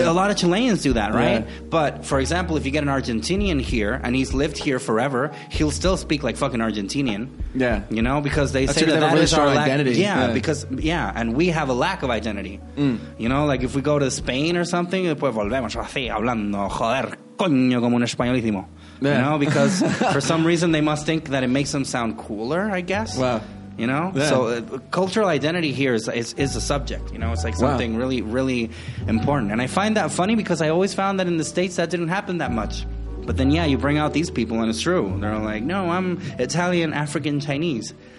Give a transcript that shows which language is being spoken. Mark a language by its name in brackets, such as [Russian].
[English] A lot of Chileans do that, right? Yeah. But, for example, if you get an Argentinian here, and he's lived here forever, he'll still speak like fucking Argentinian. Yeah. You know? Because they say that really is our identity. Yeah, and we have a lack of identity. Mm. You know? Like, if we go to Spain or something, [Spanish] después volvemos así, hablando, joder, coño, como un españolísimo. [English] Yeah. You know? Because for some reason, they must think that it makes them sound cooler, I guess. Wow. You know? Yeah. So cultural identity here is a subject, you know? It's like something really, really important. And I find that funny because I always found that in the States that didn't happen that much. But then, yeah, you bring out these people and it's true. They're like, no, I'm Italian, African, Chinese.